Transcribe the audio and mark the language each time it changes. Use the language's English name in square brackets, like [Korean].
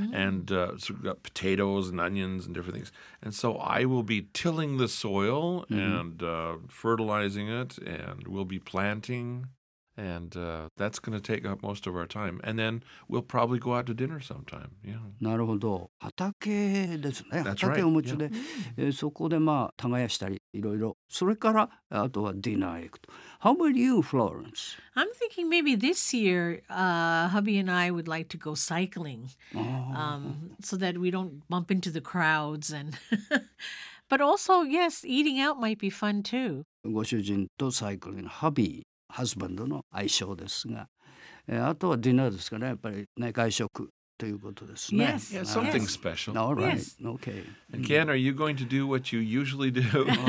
[English] And、so we've got potatoes and onions and different things. And so I will be tilling the soil、mm-hmm. and、fertilizing it, and we'll be planting. And、that's going to take up most of our time. And then we'll probably go out to dinner sometime. Yeah. [Japanese] なるほど。畑ですね。 [English] That's、 [Japanese] 畑をお持ちで、 [English] right. yeah. [Japanese] そこでまあ耕したりいろいろ。それからあとはディナー行くと。 [English] How about you, Florence? I'm thinking maybe this year,、hubby and I would like to go cycling,、so that we don't bump into the crowds. And but also, yes, eating out might be fun too. [Japanese] ご主人とサイクリング、hubby。ハズバンドの相性ですが、あとはディナーですかね、やっぱりね、外食ということですね。 [English] Yes, yeah, something special. All right, okay. And Ken, are you going to do what you usually do?